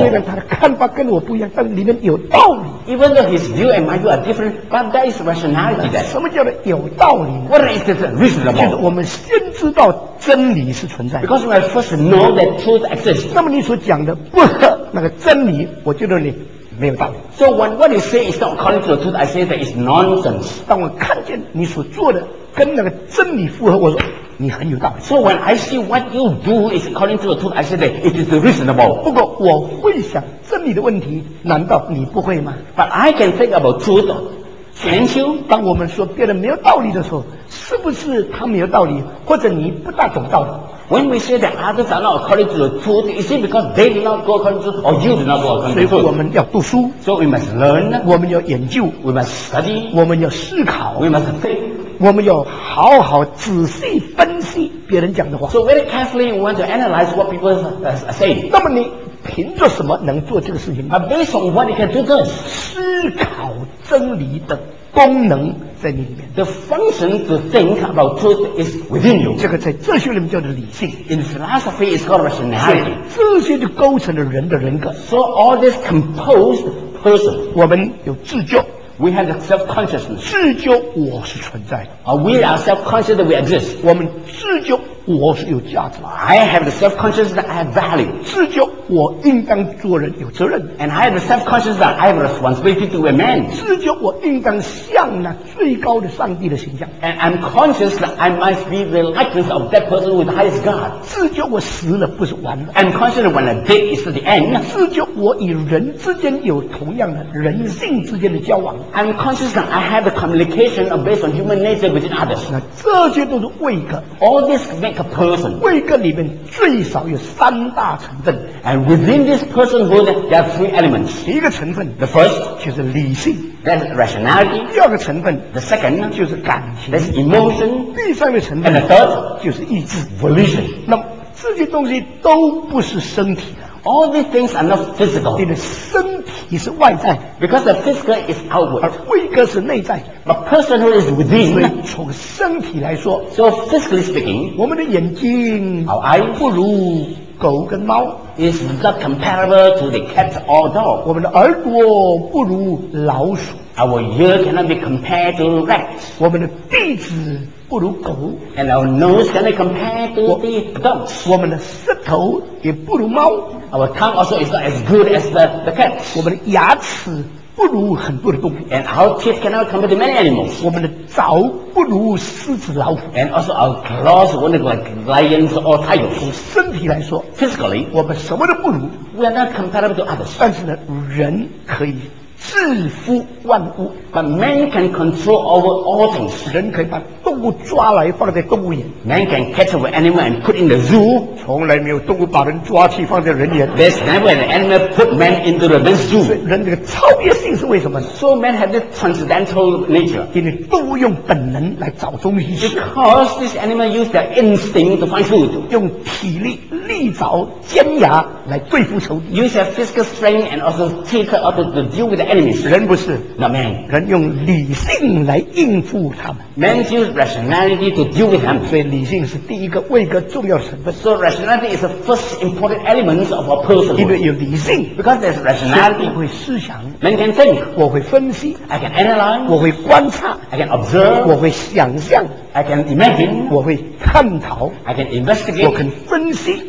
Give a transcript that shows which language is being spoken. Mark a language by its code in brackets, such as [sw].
[zh] 虽然他的看法跟我不一样，但里面有道理。 [en] Even though his view and my view are different, but that is rationality. [zh] 什么叫做有道理？ [en] What is it reasonable? [zh] 就是我们先知道真理是存在。 [en] Because we first know that truth exists. [zh] 那么你所讲的不合那个真理，我觉得你。没有道理。 [en] So when what you say is not according to the truth, I say that it's nonsense. [zh] 当我看见你所做的跟那个真理符合，我说你很有道理。 [en] So when I see what you do is according to the truth, I say that it is reasonable. [zh] 不过我会想真理的问题，难道你不会吗？ [en] But I can think about truth. Can't you? [zh] 当我们说别人没有道理的时候，是不是他没有道理，或者你不大懂道理？ [en] When we say that others are not according to the truth, is it because they do not go according to truth, or you do not go according to truth? [zh] 所以我们要读书。 [en] So we must learn. [zh] 我们要研究。 [en] We must study. [zh] 我们要思考。 [en] We must think. [zh] 我们要好好仔细分析别人讲的话。 [en] So very carefully, we want to analyze what people are saying. [zh] 那么你凭着什么能做这个事情？ [en] Based on what you can do this. [zh] 思考真理的功能在你里面。 [en] The function to think about truth is within you. [zh] 这个在哲学里面叫做理性。 [en] In philosophy, it's called rationality. [zh] 这些就构成了人的人格。 [en] So all this composed person. [zh] 我们有自觉。 [en] We have self-consciousness. [zh] 自觉我是存在的。 [en] We are self-conscious that we exist. [zh] 我们自觉我是有价值。 [en] I have the self-consciousness that I have value. [zh] 自觉我应当做人有责任。 [en] And I have the self-consciousness that I have responsibility to a man. [zh] 自觉我应当像那最高的上帝的形象。 [en] And I'm conscious that I must be the likeness of that person with the highest God. [zh] 自觉我死了不是完了。 [en] I'm conscious that when I die is the end. [zh] 自觉我与人之间有同样的人性之间的交往。 [en] I'm conscious that I have the communication based on human nature with others. [zh] 那这些都是位格。 [en] All this make a person. [zh] 位格里面最少有三大成分。 [en] And within this personhood, there are three elements. [zh] 第一个成分 [en] ，the first [zh] 就是理性 [en] ，that's rationality. [zh] 第二个成分 [en] ，the second [zh] 就是感情 [en] ，that's emotion. [zh] 第三个成分 [en] ，and the third [zh] 就是意志 [en] ，volition. [zh] 那这些东西都不是身体。 [en] All these things are not physical. [zh] 你的身体是外在 [en] ，because the physical is outward. [zh] 而位格是内在 [en] ，but personhood is within. [zh] 所以从身体来说 [en] ，so physically speaking, [zh] 我们的眼睛 [en] ，our eyes [zh] 不如狗跟猫 [en] ，is not comparable to the cat or dog. [zh] 我们的耳朵不如老鼠 [en] ，our ear cannot be compared to rats. [zh] 我们的鼻子不如狗 [en] ，and our nose cannot be compared to the dogs. [zh] 我们的舌头也不如猫。 [en] Our tongue also is not as good as the cat. [zh] 我们的牙齿不如很多的动物。 [en] And our teeth cannot compare to many animals. [zh] 我们的爪不如狮子老虎。 [en] And also our claws won't look like lions or tigers. [zh] 从身体来说 [en] ，physically， [zh] 我们什么都不如。 [en] We are not comparable to others. [zh] 但是呢，人可以制服万物。 [en] But man can control over all things. [zh] 人可以把动物抓来放在动物园。 [en] Man can catch an animal and put in the zoo. [zh] 从来没有动物把人抓去放在人园。 [en] There's never an animal put man into the zoo. [zh] 所以人这个超越性是为什么呢？ [en] So man has this transcendental nature. [zh] 因为动物用本能来找东西吃。 [en] Because this animal use their instinct to find food. [zh] 用体力利爪尖牙来对付仇敌。 [en] Use their physical strength and also teeth in order to deal with the enemies. [zh] 人不是。 [en] Not man. [zh] 人用理性来应付他们。 [en] Man uses rationality to deal with them. [zh] 所以理性是第一个位格重要的成分。 [en] So rationality is the first important element of a person. [zh] 因为有理性。 [en] Because there's rationality. [zh] 会思想。 [en] Man can think. [zh] 我会分析。 [en] I can analyze. [zh] 我会观察。 [en] I can observe. [zh] 我会想象。 [en] I can imagine. [zh] 我会探讨。 [en] I can investigate. [zh] 我肯分析。